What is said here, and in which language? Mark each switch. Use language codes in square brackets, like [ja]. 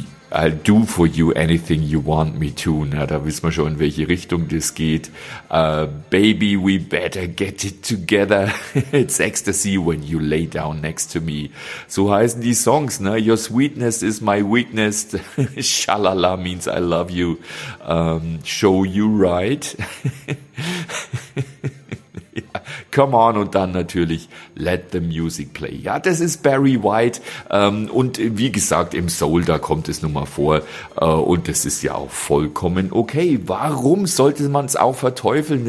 [en] I'll do for you anything you want me to. [de] Na, da wissen wir schon, in welche Richtung das geht. [en] Baby, we better get it together. It's ecstasy when you lay down next to me. [de] So heißen die Songs, ne? [en] Your sweetness is my weakness. Shalala means I love you. Show you right. [de] Come on, und dann natürlich Let the Music Play. Ja, das ist Barry White. Und wie gesagt, im Soul, da kommt es nun mal vor. Und das ist ja auch vollkommen okay. Warum sollte man es auch verteufeln?